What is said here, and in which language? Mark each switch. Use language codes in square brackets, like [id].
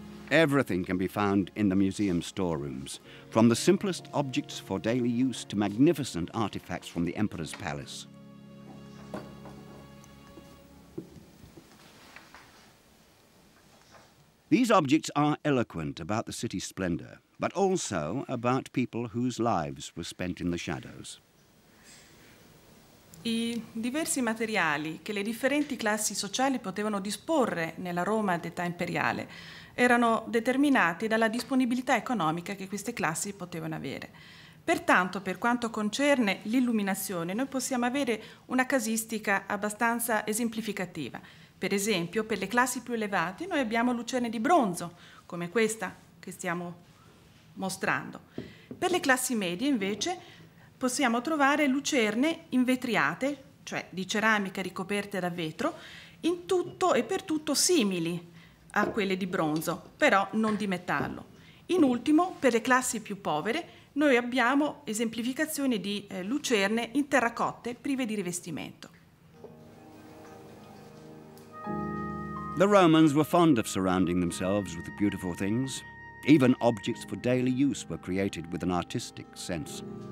[en] Everything can be found in the museum storerooms, from the simplest objects for daily use to magnificent artifacts from the emperor's palace. These objects are eloquent about the city's splendor, but also about people whose lives were spent in the shadows. [it] I diversi materiali che le differenti classi sociali potevano disporre nella Roma d'età imperiale erano determinati dalla disponibilità economica che queste classi potevano avere. Pertanto, per quanto concerne l'illuminazione, noi possiamo avere una casistica abbastanza esemplificativa. Per esempio, per le classi più elevate, noi abbiamo lucerne di bronzo, come questa che stiamo mostrando. Per le classi medie, invece, possiamo trovare lucerne invetriate, cioè di ceramica ricoperte da vetro, in tutto e per tutto simili a quelle di bronzo, però non di metallo. In ultimo, per le classi più povere, noi abbiamo esemplificazioni di lucerne in terracotte prive di rivestimento. [en] The Romans were fond of surrounding themselves with beautiful things. Even objects for daily use were created with an artistic sense.